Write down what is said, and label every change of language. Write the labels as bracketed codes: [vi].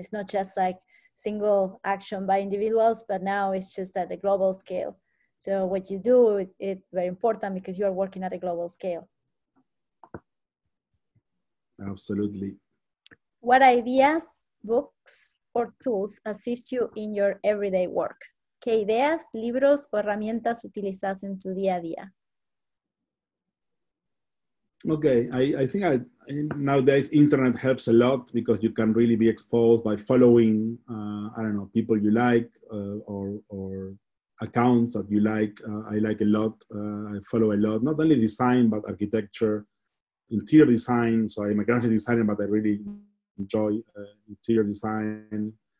[en] It's not just like single action by individuals, but now it's just at the global scale. So what you do, it's very important because you are working at a global scale. Absolutely. What ideas, books, or tools assist you in your everyday work? [es] ¿Qué ideas, libros, o herramientas utilizas en tu día a día? [en] Okay, I think nowadays internet helps a lot, because you can really be exposed by following, people you like or accounts that you like. I like a lot, I follow a lot, not only design, but architecture, interior design. So I'm a graphic designer, but I really enjoy interior design.